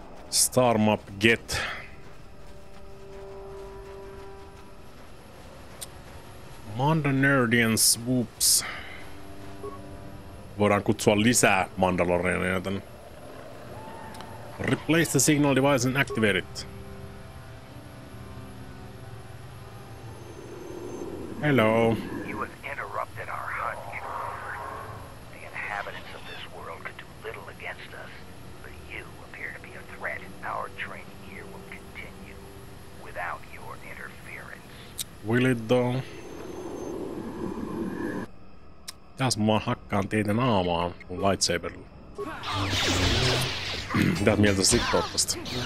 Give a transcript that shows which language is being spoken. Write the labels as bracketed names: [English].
[English] Star map get. Mandalorian swoops. [Finnish] Voidaan kutsua lisää Mandalorianeja tänne. [English] Replace the signal device and activate it. Hello. You have interrupted our hunt, Trooper. The inhabitants of this world could do little against us, but you appear to be a threat. Our training here will continue without your interference. Will it though? [Finnish] Tässä mä hakkaan teitä naamaan sun lightsaberilla. Mitäs mieltä sä sit oot tästä?